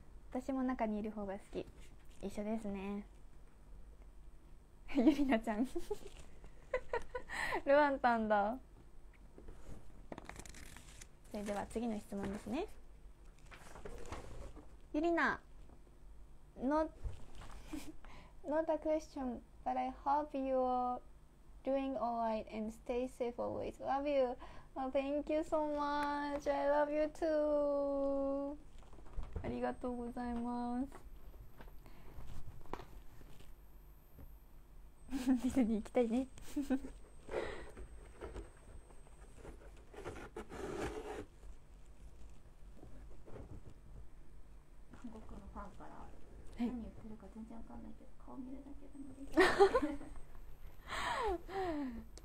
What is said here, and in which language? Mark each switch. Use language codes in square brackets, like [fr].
[ja] 私も中にいる方が好き、一緒ですねゆりなちゃんルアンタンだ。それでは次の質問ですね。 [en] ゆりなのNot a question, but I hope you're doing alright and stay safe always. Love you.、Oh, thank you so much. I love you too. [ja] ありがとうございます。ディズニー行きたいね。韓国のファンから、何言ってるか全然わかんないけど、顔見るだけでもいい。